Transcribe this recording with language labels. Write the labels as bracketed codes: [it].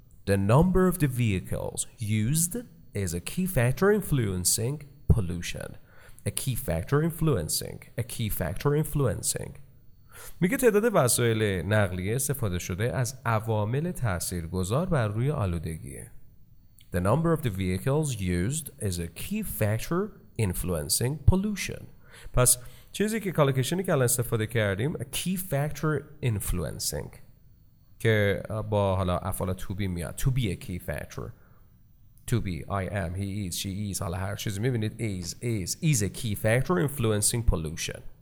[en] The number of the vehicles used is a key factor influencing pollution. A key factor influencing. A key factor influencing. [fa] میگه تعداد وسایل نقلیه استفاده شده از عوامل تاثیرگذار بر روی آلودگیه. [en] The number of the vehicles used is a key factor influencing pollution. [fa] پس چیزی که کالکشنی که الان استفاده کردیم [en] a key factor influencing [fa] که با حالا افعال to be میاد. [en] To be a key factor. To be, I am, he is, she is, [fa] حالا هر چیزی میبینید [en] is a key factor influencing pollution.